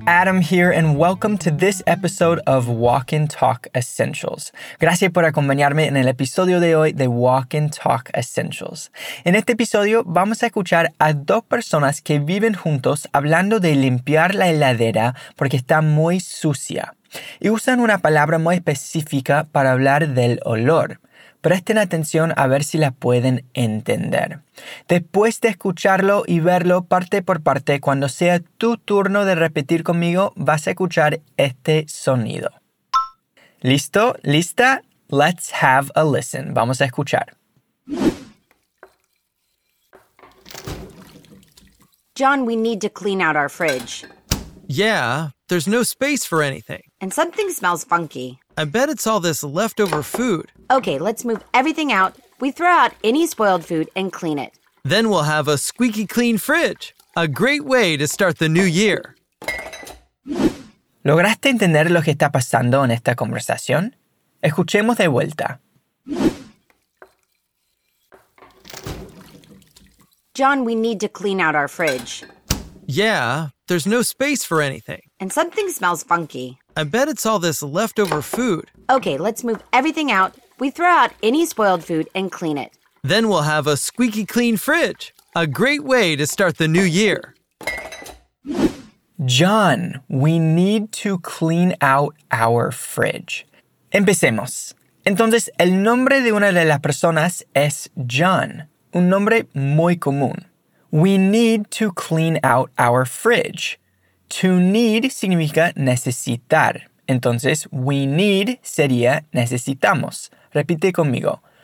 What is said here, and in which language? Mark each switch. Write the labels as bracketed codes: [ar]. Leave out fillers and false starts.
[en] Adam here, and welcome to this episode of Walk and Talk Essentials. [es] Gracias por acompañarme en el episodio de hoy de Walk and Talk Essentials. En este episodio vamos a escuchar a dos personas que viven juntos hablando de limpiar la heladera porque está muy sucia. Y usan una palabra muy específica para hablar del olor. Presten atención a ver si la pueden entender. Después de escucharlo y verlo parte por parte, cuando sea tu turno de repetir conmigo, vas a escuchar este sonido. ¿Listo? ¿Lista? [en] Let's have a listen. [es] Vamos a escuchar. [en] John, we need to clean out our fridge. Yeah, there's no space for anything. And something smells funky. I bet it's all this leftover food. Okay, let's move everything out. We throw out any spoiled food and clean it. Then we'll have a squeaky clean fridge. A great way to start the new year. [es] ¿Lograste entender lo que está pasando en esta conversación? Escuchemos de vuelta. [en] John, we need to clean out our fridge. Yeah, there's no space for anything. And something smells funky. I bet it's all this leftover food. Okay, let's move everything out. We throw out any spoiled food and clean it. Then we'll have a squeaky clean fridge. A great way to start the new year. John, we need to clean out our fridge. [es] Empecemos. Entonces, el nombre de una de las personas es John. Un nombre muy común. [en] We need to clean out our fridge. To need [es] significa necesitar. Entonces, [en] we need [es] sería necesitamos. Repite conmigo.